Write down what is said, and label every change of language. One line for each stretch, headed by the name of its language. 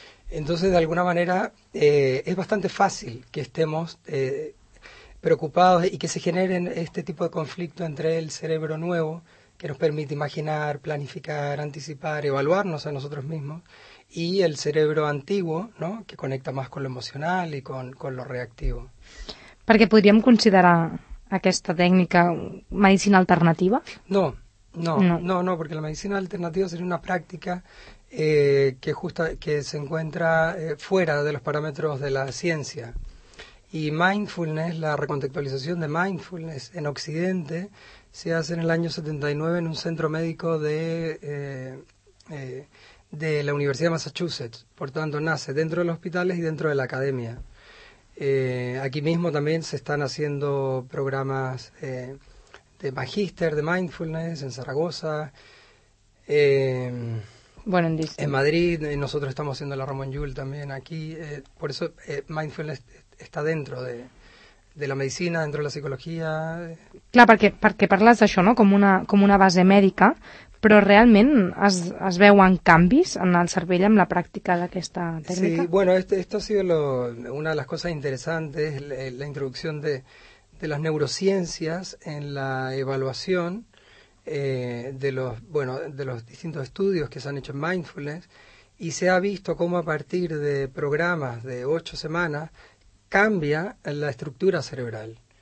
Spanish: Entonces, de alguna manera, es bastante fácil que estemos preocupados y que se generen este tipo de conflicto entre el cerebro nuevo, que nos permite imaginar, planificar, anticipar, evaluarnos a nosotros mismos, y el cerebro antiguo, ¿no?, que conecta más con lo emocional y con lo reactivo.
Catalan: ¿Perquè podríem considerar aquesta tècnica medicina alternativa?
Spanish: No, porque la medicina alternativa sería una práctica que se encuentra fuera de los parámetros de la ciencia. Y mindfulness, la recontextualización de mindfulness en Occidente, se hace en el año 79 en un centro médico de la Universidad de Massachusetts. Por tanto, nace dentro de los hospitales y dentro de la academia. Aquí mismo también se están haciendo programas de magíster de mindfulness en Zaragoza, en Madrid, nosotros estamos haciendo la Ramon Llull también aquí, por eso mindfulness está dentro de la medicina, dentro de la psicología.
Catalan: Clar, perquè parles d'això, no?, com una base mèdica, però realment es veuen canvis en el cervell amb la pràctica d'aquesta tècnica?
Spanish: Sí, bueno, esto ha sido una de las cosas interesantes, la introducción de las neurociencias en la evaluación de los distintos estudios que se han hecho en mindfulness, y se ha visto cómo a partir de programas de 8 semanas cambia la estructura cerebral.